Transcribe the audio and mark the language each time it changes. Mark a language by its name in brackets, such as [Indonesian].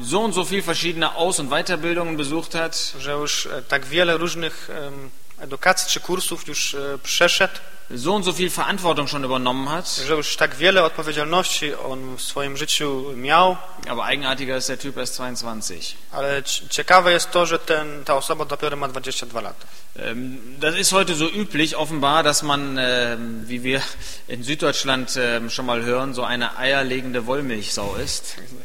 [German] So und so viel verschiedene Aus- und Weiterbildungen besucht hat. [Polish] Że już tak wiele różnych edukacji, czy kursów już przeszedł. [German] So und so viel Verantwortung schon übernommen hat. [Polish] Że już tak wiele odpowiedzialności on w swoim życiu miał. [German] Aber eigenartiger ist der Typ erst 22. [Polish] Ale ciekawe jest to, że ta osoba dopiero ma 22 lata. [German] Das ist heute so üblich, offenbar, dass man, wie wir in Süddeutschland schon mal hören, so eine eierlegende Wollmilchsau ist.